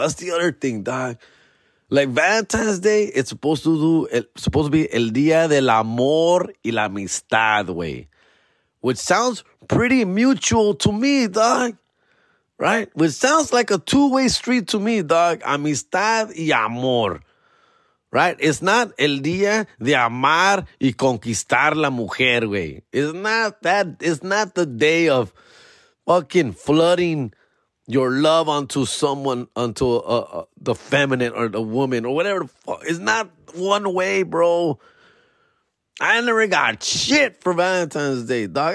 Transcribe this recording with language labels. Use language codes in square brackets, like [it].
[en] That's the other thing, dog. Like, Valentine's Day, it's supposed to be el día del amor y la amistad, way, which sounds pretty mutual to me, dog. Right? Which sounds like a two-way street to me, dog. [es] Amistad y amor. Right? It's not el día de amar y conquistar la mujer, güey. [en] It's not the day of fucking flooding your love onto someone, onto the feminine or the woman or whatever the fuck. It's not one way, bro. I never got shit for Valentine's Day, dog.